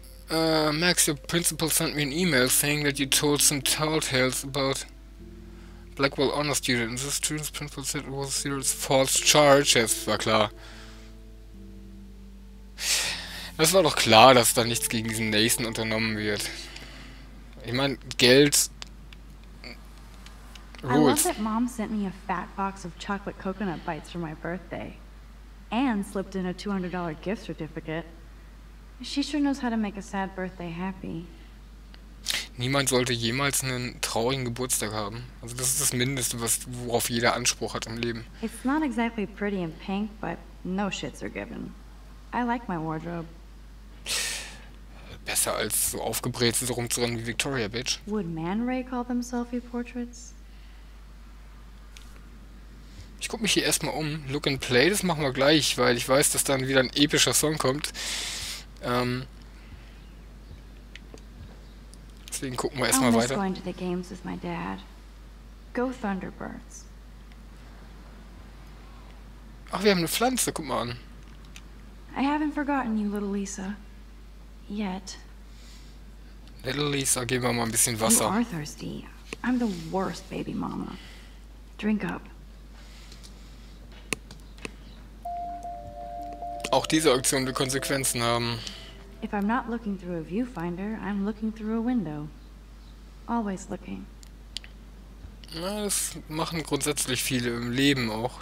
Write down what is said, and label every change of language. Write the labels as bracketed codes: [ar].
[en] Max, your principal sent me an email saying that you told some tall tales about Blackwell Honor Student. This student's principal said it was a serious false charge. [de] Das war klar. Es war doch klar, dass da nichts gegen diesen Nathan unternommen wird. Ich meine, Geld. [en] Rules. I love that Mom sent me a fat box of chocolate coconut bites for my birthday. And slipped in a $200 gift certificate. She sure knows how to make a sad birthday happy. [de] Niemand sollte jemals einen traurigen Geburtstag haben. Also das ist das Mindeste, worauf jeder Anspruch hat im Leben. [en] It's not exactly pretty in pink, but no shits are given. I like my wardrobe. [de] Besser als so aufgebrezelt rumzurennen wie Victoria, bitch. [en] Would Man Ray call them selfie portraits? [de] Ich guck mich hier erstmal um. [en] Look and play, [de] das machen wir gleich, weil ich weiß, dass dann wieder ein epischer Song kommt. Deswegen gucken wir erstmal weiter. [en] Going to the games with my dad. Go Thunderbirds. [de] Ach, wir haben eine Pflanze, guck mal an. [en] I haven't forgotten you, little Lisa. Yet. [de] Little Lisa, geben wir mal ein bisschen Wasser. [en] You are thirsty. I'm the worst baby mama. Drink up. [de] Auch diese Aktion wird Konsequenzen haben. [en] If I'm not looking through a viewfinder, I'm looking through a window. Always looking. [de] Na, das machen grundsätzlich viele im Leben auch.